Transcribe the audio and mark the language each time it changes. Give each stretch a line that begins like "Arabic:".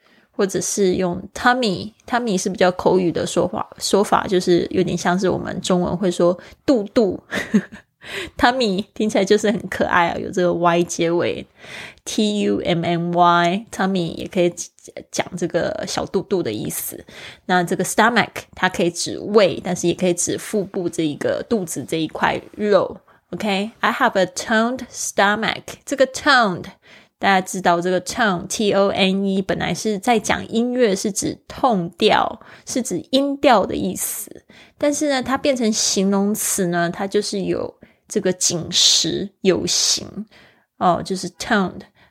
Chinese: 或者是用 tummy 是比较口语的说法，就是有点像是我们中文会说肚tummy 听起来就是很可爱啊，有这个 y 结尾 tummy tummy 也可以讲这个小肚肚的意思。那这个 stomach 它可以指胃，但是也可以指腹部这一个肚子这一块肉。
English: OK, I have a toned stomach.
Chinese: 这个 toned, 大家知道这个 tone, T-O-N-E, 本来是在讲音乐，是指痛调，是指音调的意思。但是呢它变成形容词呢，它就是有这个紧实有型。哦，就是 toned。